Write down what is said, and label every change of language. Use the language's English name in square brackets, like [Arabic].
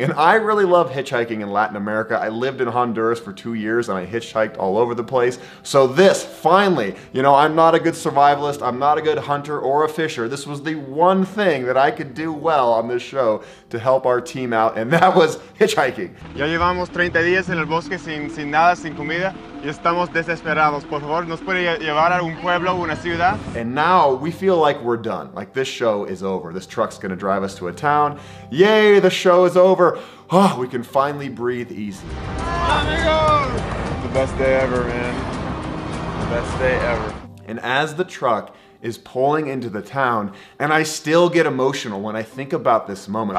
[English] And I really love hitchhiking in Latin America. I lived in Honduras for 2 years and I hitchhiked all over the place. So this, finally, you know, I'm not a good survivalist, I'm not a good hunter or a fisher. This was the one thing that I could do well on this show to help our team out, and that was hitchhiking. [Spanish] Ya llevamos 30 días en el bosque sin nada, sin comida, y estamos desesperados. Por favor, ¿nos puede llevar a un pueblo, una ciudad? [English] And now we feel like we're done. Like this show is over. This truck's gonna drive us to a town. Yay, the show is over. Oh, we can finally breathe easy. [Spanish] Amigos! [English] The best day ever, man. The best day ever. And as the truck is pulling into the town, and I still get emotional when I think about this moment.